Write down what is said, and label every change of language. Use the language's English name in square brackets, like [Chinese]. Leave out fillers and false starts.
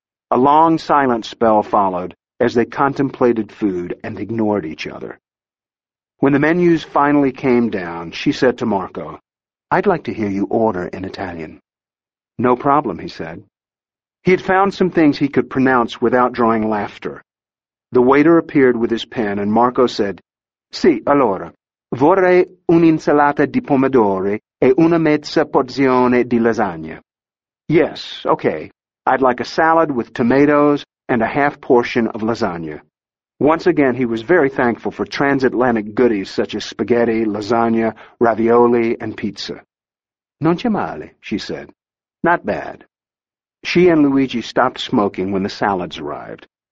[English] A long, silent spell followed as they contemplated food and ignored each other. When the menus finally came down, she said to Marco, I'd like to hear you order in Italian. No problem, he said. He had found some things he could pronounce without drawing laughter. The waiter appeared with his pen, and Marco said, [Italian] Sì, allora, vorrei un'insalata di pomodori e una mezza porzione di lasagna. [English] Yes, okay, I'd like a salad with tomatoes and a half portion of lasagna. Once again, he was very thankful for transatlantic goodies such as spaghetti, lasagna, ravioli, and pizza. [Italian] Non c'è male, [English] she said. Not bad. She and Luigi stopped smoking when the salads arrived.